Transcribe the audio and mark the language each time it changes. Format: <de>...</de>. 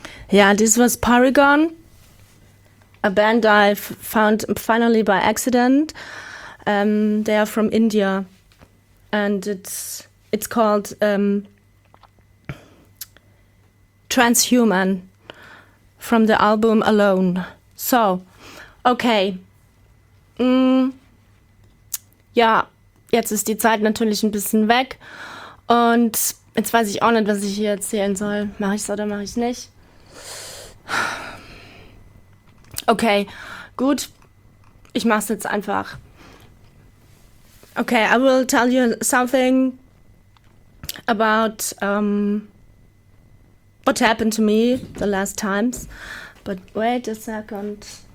<en>Yeah, this was Paragon, a band I found finally by accident. They are from India, and it's called Transhuman from the album Alone. So, okay.</en> <de>Ja, jetzt ist die Zeit natürlich ein bisschen weg. Und jetzt weiß ich auch nicht, was ich hier erzählen soll. Mache ich es oder mache ich es nicht? Okay, gut, ich mach's jetzt einfach.</de> <en>Okay, I will tell you something about what happened to me the last times. But wait a second.</en>